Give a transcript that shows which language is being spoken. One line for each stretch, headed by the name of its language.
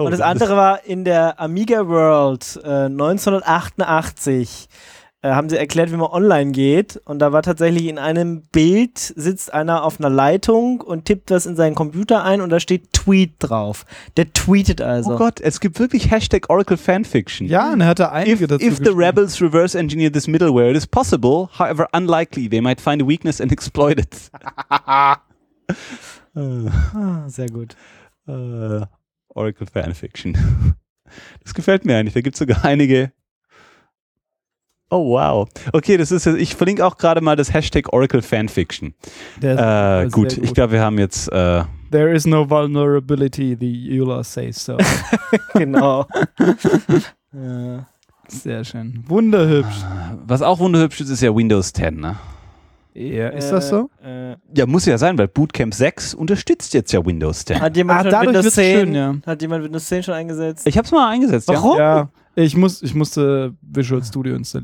German: Und das andere war in der Amiga World 1988. Haben sie erklärt, wie man online geht und da war tatsächlich in einem Bild sitzt einer auf einer Leitung und tippt was in seinen Computer ein und da steht Tweet drauf. Der tweetet also. Oh Gott, es gibt wirklich Hashtag Oracle Fanfiction. Ja, und er hat da einige dazu geschrieben.
English: If the rebels reverse engineer this middleware, it is possible, however unlikely, they might find a weakness and exploit it.
German: Sehr gut. Oracle Fanfiction. Das gefällt mir eigentlich, da gibt es sogar einige. Oh wow. Okay, ich verlinke auch gerade mal das Hashtag Oracle Fanfiction. Gut, ich glaube, wir haben jetzt.
English: There is no vulnerability, the EULA says so.
German: Genau. Ja. Sehr schön. Wunderhübsch. Was auch wunderhübsch ist, ist ja Windows 10, ne? Ja, ist das so? Ja, muss ja sein, weil Bootcamp 6 unterstützt jetzt ja Windows 10. Hat jemand Windows 10? Schön, ja. Hat jemand Windows 10 schon eingesetzt? Ich hab's mal eingesetzt, warum? Ja. Ich musste Visual Studio installieren.